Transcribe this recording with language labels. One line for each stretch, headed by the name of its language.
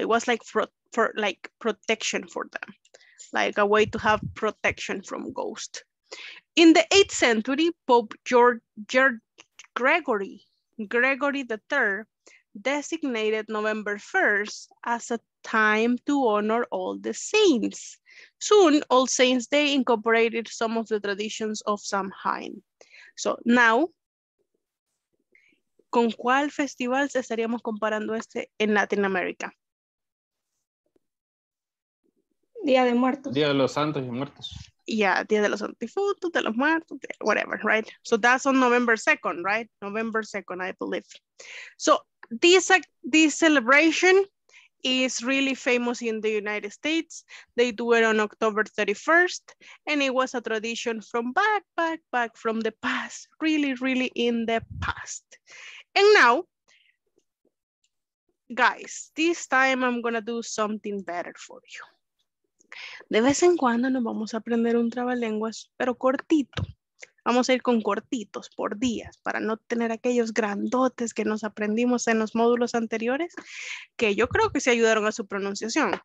English: It was like for like protection for them, like a way to have protection from ghosts. In the 8th century, Pope Gregory the Third designated November 1st as a time to honor all the saints. Soon, All Saints Day incorporated some of the traditions of Samhain. So now,
Spanish: ¿con cuál festival se estaríamos comparando este en Latin America? Día de Muertos. Día de los Santos y Muertos.
English: Yeah,
Spanish: Día de los Antifutos, de los Muertos,
English: whatever, right? So that's on November 2nd, right? November 2nd, I believe. So this celebration is really famous in the United States. They do it on October 31st, and it was a tradition from back from the past, really, really in the past. And now, guys, this time I'm gonna do something better for you.
Spanish: De vez en cuando nos vamos a aprender un trabalenguas, pero cortito. Vamos a ir con cortitos por días para no tener aquellos grandotes que nos aprendimos en los módulos anteriores, que yo creo que se ayudaron a su pronunciación.